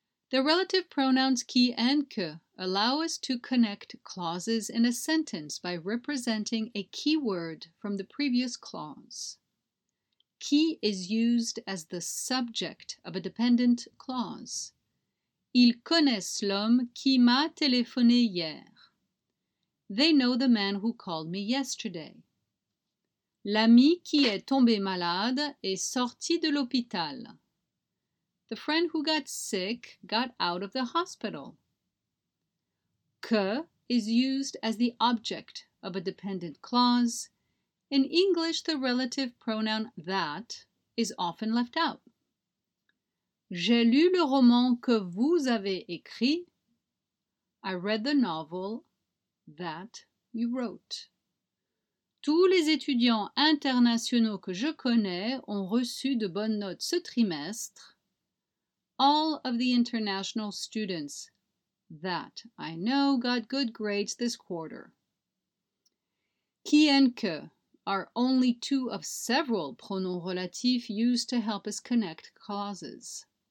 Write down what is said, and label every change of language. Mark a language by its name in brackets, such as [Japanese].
[English] The relative pronouns qui and que allow us to connect clauses in a sentence by representing a keyword from the previous clause. Qui is used as the subject of a dependent clause. [French] Ils connaissent l'homme qui m'a téléphoné hier. [English] They know the man who called me yesterday. [French] L'ami qui est tombé malade est sorti de l'hôpital. [English] The friend who got sick got out of the hospital. Que is used as the object of a dependent clause. In English, the relative pronoun that is often left out. [French] J'ai lu le roman que vous avez écrit. [English] I read the novel that you wrote. [French] Tous les étudiants internationaux que je connais ont reçu de bonnes notes ce trimestre. [English] All of the international students that I know got good grades this quarter. Qui and que are only two of several pronoms relatifs used to help us connect clauses.